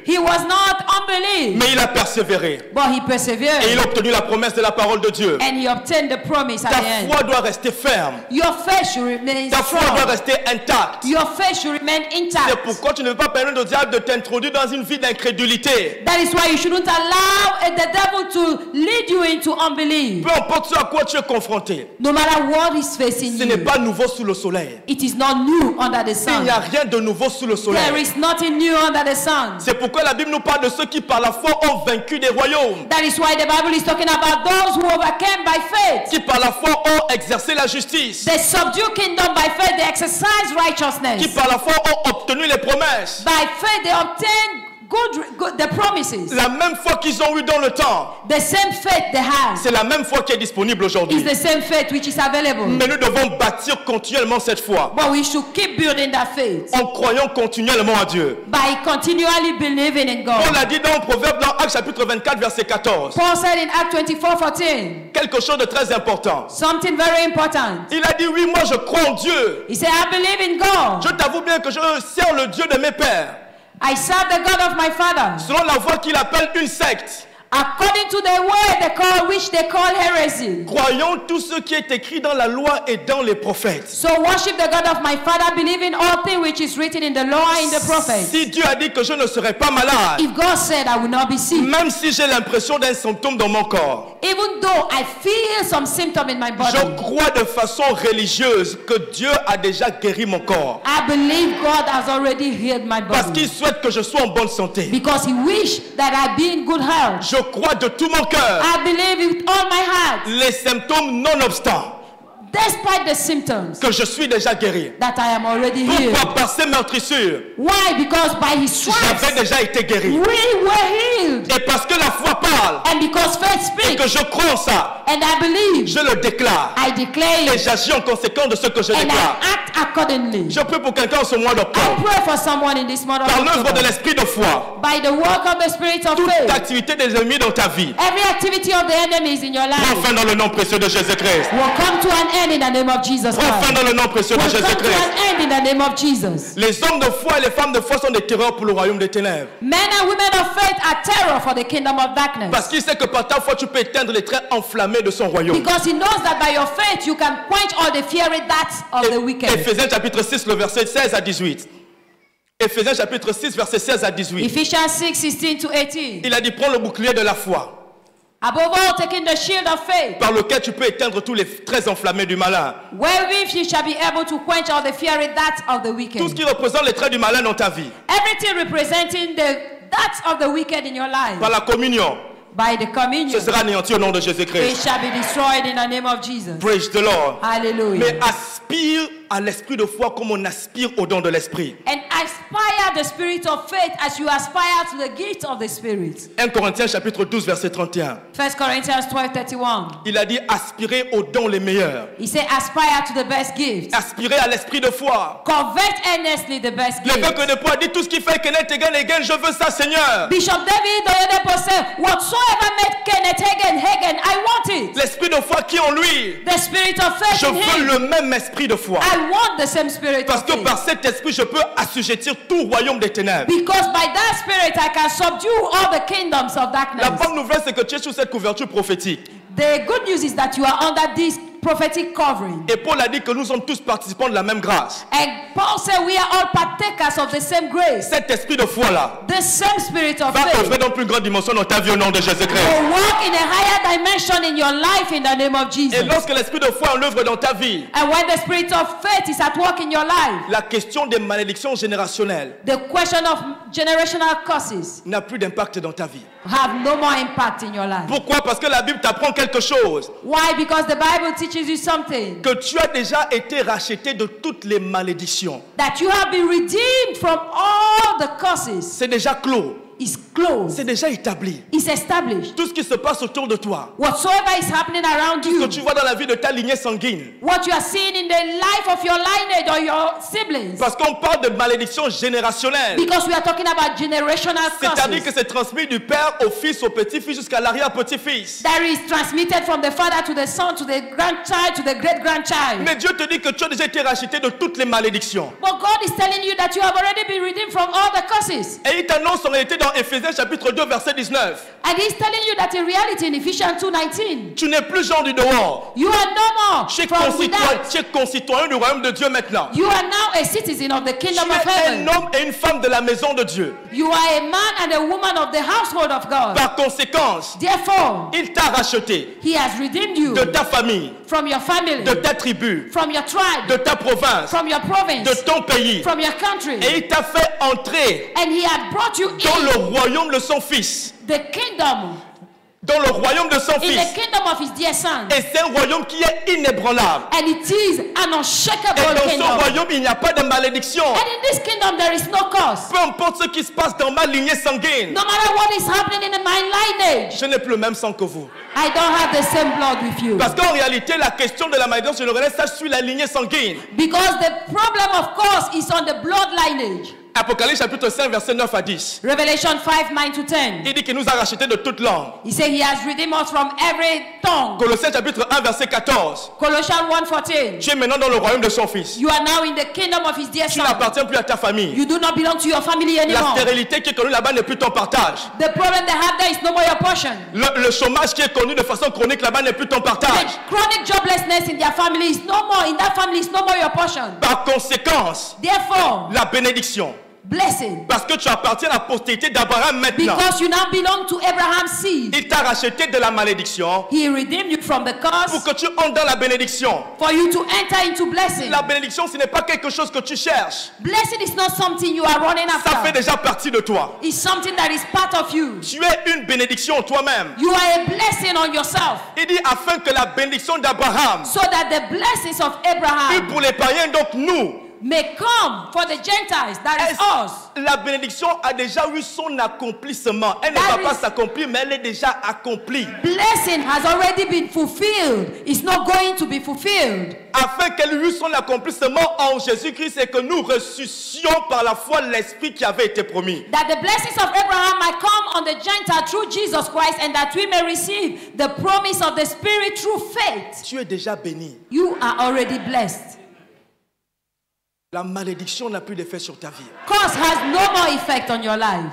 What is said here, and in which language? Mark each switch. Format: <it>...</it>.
<en>He was not unbelieved.</en> <fr>Mais il a persévéré.</fr> <en>But he persevered.</en> <fr>Et il a obtenu la promesse de la parole de Dieu.</fr> <en>And he obtained the promise at the end.</en> <fr>Ta foi doit rester ferme.</fr> <en>Your faith should remain strong.</en> <fr>Ta foi doit rester intacte.</fr> <en>Your faith should remain intact.</en> <fr>C'est pourquoi tu ne veux pas permettre au diable de t'introduire dans une vie d'incrédulité.</fr> <en>That is why you shouldn't allow the devil to lead you into unbelief.</en> <fr>Peu importe ce à quoi tu es confronté.</fr> <en>No matter what is facing you.</en> <fr>Ce n'est pas nouveau sous le soleil.</fr> <en>It is not new under the sun.</en> <fr>Il n'y a rien de nouveau sous le soleil.</fr> <en>There is nothing new under the sun.</en> <fr>C'est pourquoi la Bible nous parle de ceux qui par la foi ont vaincu des royaumes.</fr> <en>That is why the Bible is talking about those who overcame by faith.</en> <fr>Qui par la foi ont exercé la justice.</fr> <en>They subdued kingdom by faith. They exercised righteousness.</en> <fr>Qui par la foi ont obtenu les promesses.</fr> <en>By faith they obtained Good, the promises.</en> <fr>La même foi qu'ils ont eu dans le temps.</fr> <en>The same faith they have.</en> <fr>C'est la même foi qui est disponible aujourd'hui.</fr> <en>Is the same faith which is available.</en> <fr>Mais nous devons bâtir continuellement cette foi.</fr> <en>But we should keep building that faith.</en> <fr>En croyant continuellement à Dieu.</fr> <en>By continually believing in God.</en> <fr>On l'a dit dans Proverbe dans Actes chapitre 24 verset 14.</fr> <en>Paul said in Acts 24, 14.</en> <fr>Quelque chose de très important.</fr> <en>Something very important.</en> <fr>Il a dit oui moi je crois en Dieu.</fr> <en>He said I believe in God.</en> <fr>Je t'avoue bien que je sers le Dieu de mes pères.</fr> <en>I serve the God of my father.</en> <fr>Selon la voie qu'il appelle une secte.</fr> <en>According to the way they call which they call heresy.</en> <fr>Croyons tout ce qui est écrit dans la loi et dans les prophètes.</fr> <en>So worship the God of my father, believing all things which is written in the law and in the prophets.</en> <fr>Si Dieu a dit que je ne serai pas malade.</fr> <en>If God said I will not be sick.</en> <fr>Même si j'ai l'impression d'un symptôme dans mon corps.</fr> <en>Even though I feel some symptom in my body.</en> <fr>Je crois de façon religieuse que Dieu a déjà guéri mon corps.</fr> <en>I believe God has already healed my body.</en> <fr>Parce qu'il souhaite que je sois en bonne santé.</fr> <en>Because he wish that I be in good health.</en> <fr>Je crois de tout mon cœur.</fr> <en>I believe with all my heart.</en> <fr>Les symptômes nonobstant.</fr> <en>Despite the symptoms.</en> <fr>Que je suis déjà guéri.</fr> <en>That I am already healed.</en> <fr>Pourquoi par ses meurtrissures.</fr> <en>Why? Because by his stripes.</en> <fr>J'avais déjà été guéri.</fr> <en>We were healed.</en> <fr>Et parce que la foi parle.</fr> <en>And because faith speaks.</en> <fr>Et que je crois en ça.</fr> <en>And I believe.</en> <fr>Je le déclare.</fr> <en>I declare.</en> <fr>Et j'agis en conséquence de ce que je déclare.</fr> <en>And I act accordingly.</en> <fr>Je prie pour quelqu'un en ce mois d'octobre.</fr> <en>I pray for someone in this month of October.</en> <fr>Par l'œuvre de l'esprit de foi.</fr> <en>By the work of the spirit of</en> <fr>toute</fr> <en>faith.</en> <fr>Toute activité des ennemis dans ta vie.</fr> <en>Every activity of the enemy is in your life.</en> <fr>Enfin dans le nom précieux de Jésus Christ.</fr> <en>Will come to an end. In the name of Jesus Christ.</en> <fr>Enfin dans le nom précieux de Jésus Christ.</fr> <en>In the name of Jesus.</en> <fr>Les hommes de foi et les femmes de foi sont des terreurs pour le royaume des ténèbres.</fr> <en>Men and women of faith are terror for the kingdom of darkness.</en> <fr>Parce qu'il sait que par ta foi tu peux éteindre les traits enflammés de son royaume.</fr> <en>Because he knows that by your faith you can quench all the fiery darts of the wicked.</en> <fr>Ephésiens chapitre 6 le verset 16 à 18. Ephésiens chapitre 6 verset 16 à 18.</fr> <en>Ephesians 6, 16 to 18.</en> <fr>Il a dit prends le bouclier de la foi.</fr> <en>Above all, taking the shield of faith.</en> <fr>Par lequel tu peux éteindre tous les traits enflammés du malin.</fr> <en>Wherewith you shall be able to quench all the fiery darts of the wicked.</en> <fr>Tout ce qui représente les traits du malin dans ta vie.</fr> <en>Everything representing the thoughts of the wicked in your life.</en> <fr>Par la communion.</fr> <en>By the communion.</en> <fr>Ce sera anéanti au nom de Jésus-Christ.</fr> <en>It shall be destroyed in the name of Jesus. Praise the Lord. Hallelujah.</en> <fr>Mais aspire à l'esprit de foi comme on aspire au don de l'esprit.</fr> <en>And aspire the spirit of faith as you aspire to the gift of the spirit.</en> <fr>1 Corinthiens chapitre 12 verset 31.</fr> <en>1 Corinthians 12:31.</en> <fr>Il a dit aspirez au don les meilleurs.</fr> <en>He said aspire to the best gifts.</en> <fr>Aspirez à l'esprit de foi.</fr> <en>Covet earnestly the best gifts.</en> <fr>L'évêque de Poix dit tout ce qui fait Kenneth Hagin Hagin, je veux ça Seigneur.</fr> <en>Bishop David Oyedepo said whatsoever made Kenneth Hagin Hagin, I want it.</en> <fr>L'esprit de foi qui est en lui.</fr> <en>The spirit of faith</en> <fr>je</fr> <en>in him.</en> <fr>Je veux le même esprit de foi.</fr> <en>I want the same spirit.</en> <fr>Parce que par cet esprit, je peux assujettir tout royaume des ténèbres.</fr> <en>Because by that spirit, I can subdue all the kingdoms of darkness.</en> <fr>La bonne nouvelle, c'est que tu es sous cette couverture prophétique.</fr> <en>The good news is that you are under this prophetic covering.</en> <fr>Et Paul a dit que nous sommes tous participants de la même grâce.</fr> <en>And Paul said we are all partakers of the same grace.</en> <fr>Cet esprit de foi là.</fr> <en>The same spirit of faith.</en> <fr>Va œuvrer dans plus grande dimension dans ta vie au nom de Jésus-Christ.</fr> <en>And walk in a higher dimension in your life in the name of Jesus.</en> <fr>Et lorsque l'esprit de foi est en œuvre dans ta vie.</fr> <en>And when the spirit of faith is at work in your life.</en> <fr>La question des malédictions générationnelles.</fr> <en>The question of generational curses.</en> <fr>N'a plus d'impact dans ta vie.</fr> <en>Have no more impact in your life.</en> <fr>Pourquoi? Parce que la Bible t'apprend quelque chose.</fr> <en>Why? Because the Bible teaches you something.</en> <fr>Que tu as déjà été racheté de toutes les malédictions.</fr> <en>That you have been redeemed from all the curses.</en> <fr>C'est déjà clos.</fr> <en>It's closed.</en> <fr>C'est déjà établi.</fr> <en>It's established.</en> <fr>Tout ce qui se passe autour de toi.</fr> <en>Whatsoever is happening around you.</en> <fr>Tout ce que tu vois dans la vie de ta lignée sanguine.</fr> <en>What you are seeing in the life of your lineage or your siblings.</en> <fr>Parce qu'on parle de malédiction générationnelle.</fr> <en>Because we are talking about generational curses.</en> <fr>C'est-à-dire que c'est transmis du père au fils au petit-fils jusqu'à l'arrière-petit-fils.</fr> <en>That is transmitted from the father to the son to the grandchild to the great-grandchild.</en> <fr>Mais Dieu te dit que tu as déjà été racheté de toutes les malédictions.</fr> <en>But God is telling you that you have already been redeemed from all the curses.</en> <fr>Et il t'annonce en réalité dans Ephésiens chapitre 2 verset 19.</fr> <en>And he's telling you that in reality in Ephesians 2:19.</en> <fr>Tu n'es plus genre du dehors.</fr> <en>You are no more.</en> <fr>Tu es concitoyen du royaume de Dieu maintenant.</fr> <en>You are now a citizen of the kingdom of heaven.</en> <fr>Tu es un homme et une femme de la maison de Dieu.</fr> <en>You are a man and a woman of the household of God.</en> <fr>Par conséquence,</fr> <en>therefore,</en> <fr>il t'a racheté.</fr> <en>He has redeemed you.</en> <fr>De ta famille.</fr> <en>From your family.</en> <fr>De ta tribu.</fr> <en>From your tribe.</en> <fr>De ta province.</fr> <en>From your province.</en> <fr>De ton pays.</fr> <en>From your country.</en> <fr>Et il t'a fait entrer.</fr> <en>And he has brought you</en> <fr>dans</fr> <en>in.</en> <fr>Le royaume de son fils.</fr> <en>The kingdom.</en> <fr>Dans le royaume de son</fr> <en>in</en> <fr>fils.</fr> <en>The kingdom of his dear son.</en> <fr>Et c'est un royaume qui est inébranlable.</fr> <en>And it is an unshakable kingdom.</en> <fr>Et dans Son royaume, il n'y a pas de malédiction.</fr> <en>And in this kingdom, there is no curse.</en> <fr>Peu importe ce qui se passe dans ma lignée sanguine.</fr> <en>No matter what is happening in my lineage.</en> <fr>Je n'ai plus le même sang que vous.</fr> <en>I don't have the same blood with you.</en> <fr>Parce qu'en réalité, la question de la malédiction, je le relève, ça suit la lignée sanguine.</fr> <en>Because the problem of curse is on the blood lineage.</en> <fr>Apocalypse chapitre 5 verset 9 à 10.</fr> <en>Revelation 5 9 to 10.</en> <fr>Il dit qu'il nous a racheté de toute langue.</fr> <en>He said he has redeemed us from every tongue.</en> <fr>Colossiens chapitre 1 verset 14.</fr> <en>Colossians 1 14.</en> <fr>Tu es maintenant dans le royaume de son fils.</fr> <en>You are now in the kingdom of his dear son.</en> <fr>Tu n'appartiens plus à ta famille.</fr> <en>You do not belong to your family anymore.</en> <fr>La stérilité qui est connue là-bas n'est plus ton partage.</fr> <en>The problem they have there is no more your portion.</en> <fr>Le chômage qui est connu de façon chronique là-bas n'est plus ton partage.</fr> <en>The chronic joblessness in their family is no more in that family is no more your portion.</en> <fr>Par conséquence,</fr> <en>therefore,</en> <fr>la bénédiction.</fr> <en>Blessing.</en> <fr>Parce que tu appartiens à la postérité d'Abraham maintenant.</fr> <en>Because you now belong to Abraham's seed.</en> <fr>Il t'a racheté de la malédiction.</fr> <en>He redeemed you from the curse.</en> <fr>Pour que tu entres dans la bénédiction.</fr> <en>For you to enter into blessing.</en> <fr>La bénédiction, ce n'est pas quelque chose que tu cherches.</fr> <en>Blessing is not something you are running after.</en> <fr>Ça fait déjà partie de toi.</fr> <en>It's something that is part of you.</en> <fr>Tu es une bénédiction toi-même.</fr> <en>You are a blessing on yourself.</en> <fr>Il dit afin que la bénédiction d'Abraham.</fr> <en>So that the blessings of Abraham.</en> <fr>Et pour les païens, donc nous.</fr> <en>May come for the Gentiles, that is us.</en> <fr>La bénédiction a déjà eu son accomplissement. Elle ne va pas s'accomplir, mais elle est déjà accomplie.</fr> <en>Blessing has already been fulfilled. It's not going to be fulfilled.</en> <fr>Afin qu'elle eut son accomplissement en Jésus-Christ et que nous ressuscions par la foi l'esprit qui avait été promis.</fr> <en>That the blessings of Abraham might come on the Gentiles through Jesus Christ and that we may receive the promise of the Spirit through faith.</en> <fr>Tu es déjà béni.</fr> <en>You are already blessed.</en> <fr>La malédiction n'a plus d'effet sur ta vie.</fr> <en>Curse has no more effect on your life.</en>